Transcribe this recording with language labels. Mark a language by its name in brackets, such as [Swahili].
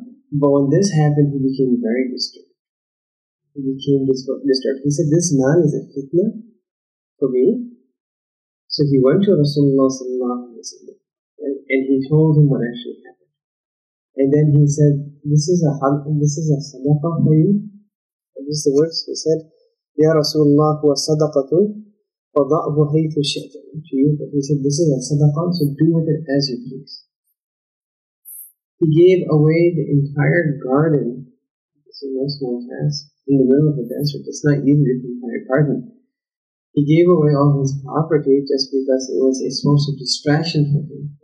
[English] But when this happened, he became very disturbed. He became disturbed. He said, this man is a fitna for me. So he went to Rasulullah sallallahu alayhi wa sallam and he told him what actually happened. And then he said, this is a sadaqah for you. And this is the words he said. [Arabic] يا رسول الله هو صدقة فضعه حيث شئت. [English] He said, this is a sadaqah, so do with it as you please. He gave away the entire garden. It's a no small task in the middle of the desert. It's not easy to find a garden. He gave away all his property just because it was a source of distraction for him.